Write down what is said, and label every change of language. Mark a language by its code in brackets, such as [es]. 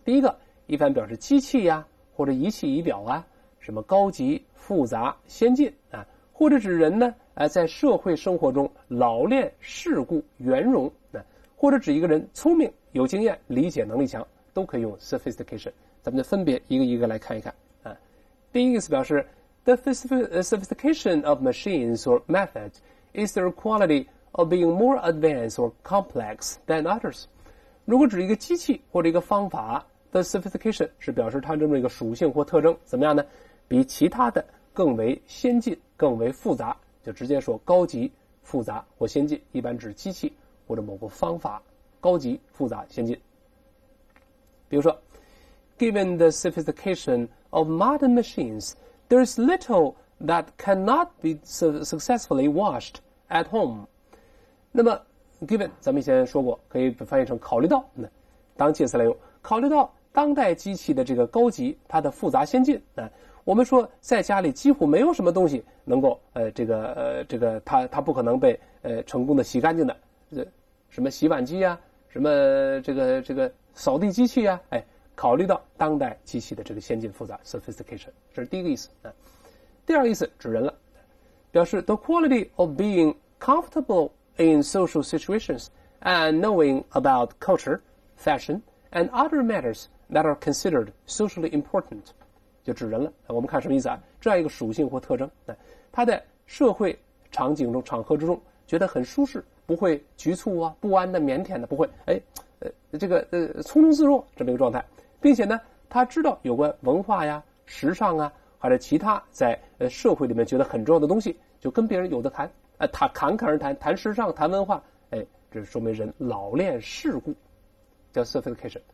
[zh] 第一个，一般表示机器呀，或者仪器仪表啊，什么高级、复杂、先进啊，或者指人呢，在社会生活中老练、世故、圆融啊，或者指一个人聪明、有经验、理解能力强，都可以用 sophistication。咱们就分别一个一个来看一看。第一个是表示 [en] The sophistication of machines or methods is their quality of being more advanced or complex than others. [zh] 如果指一个机器或者一个方法 The sophistication 是表示它这么一个属性或特征，怎么样呢？比其他的更为先进，更为复杂，就直接说高级、复杂或先进，一般指机器或者某个方法，高级、复杂、先进。比如说 [en] Given the sophisticationOf modern machines, there is little that cannot be successfully washed at home. [zh] 那么 ，given 咱们以前说过，可以翻译成考虑到，当介词来用。考虑到当代机器的这个高级，它的复杂先进，我们说在家里几乎没有什么东西能够它不可能被成功的洗干净的，什么洗碗机啊，什么这个扫地机器啊，考虑到当代机器的这个先进复杂 sophistication， 这是第一个意思啊。第二个意思指人了，表示 [en] the quality of being comfortable in social situations and knowing about culture, fashion, and other matters that are considered socially important， [zh] 就指人了。我们看什么意思啊？这样一个属性或特征，他在社会场景中、场合之中觉得很舒适，不会局促啊、不安的、腼腆的，不会匆匆自若这么一个状态，并且呢，他知道有关文化呀、时尚啊，或者其他在社会里面觉得很重要的东西，就跟别人有的谈，他侃侃而谈，谈时尚、谈文化，这说明人老练世故，叫 sophistication。